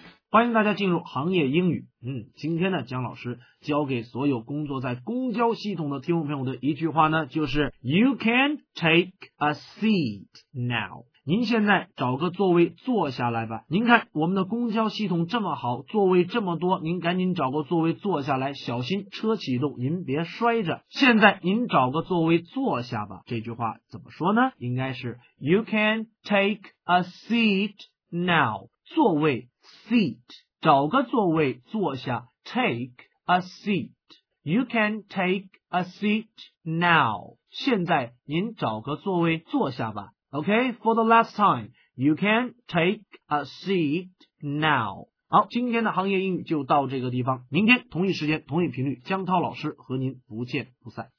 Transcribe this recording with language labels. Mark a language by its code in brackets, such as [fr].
[zh] 欢迎大家进入行业英语。今天呢，姜老师教给所有工作在公交系统的听众朋友的一句话呢，就是 [en] You can take a seat now。 [zh] 您现在找个座位坐下来吧。您看我们的公交系统这么好，座位这么多，您赶紧找个座位坐下来，小心车启动，您别摔着。现在您找个座位坐下吧，这句话怎么说呢？应该是 [en] You can take a seat now。 [zh] 座位seat， 找个座位坐下， [en] take a seat， you can take a seat now， [zh] 现在您找个座位坐下吧。 [en] OK， for the last time， you can take a seat now。 [zh] 好，今天的行业英语就到这个地方，明天同一时间同一频率，姜涛老师和您不见不散。